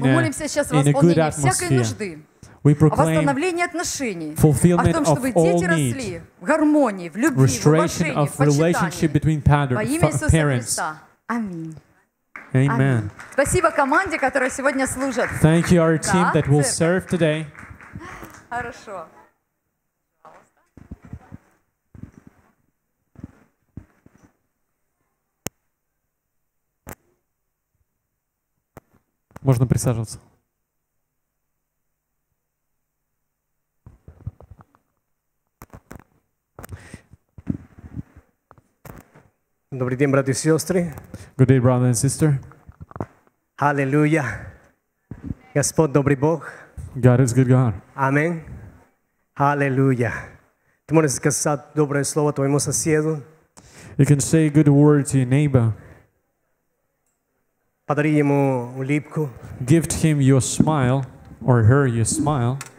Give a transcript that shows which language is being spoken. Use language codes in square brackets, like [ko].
[ru] мы молимся сейчас о восполнении всякой нужды, [en] we proclaim [ru] о восстановлении отношений, [en] fulfillment [ru] о том, чтобы [en] of [ru] дети росли [en] need. [ru] В гармонии, в любви, [en] restoration [ru] в уважении, в почитании. Во имя Иисуса Христа. Аминь. [en] Amen. [ru] Спасибо команде, которая сегодня служит. [en] Thank you, our team that will serve today. [ru] Хорошо. Можно присаживаться. Добрый день, братья и сестры. [en] Good day, brother and sister. [ru] Аллилуйя. Господь добрый Бог. [en] God is good God. [ru] Амин. Аллилуйя. Ты можешь сказать доброе слово твоему соседу. [en] You can say a good word to your neighbor. [ru] Подари ему улыбку. [en] Give him your smile or her your smile.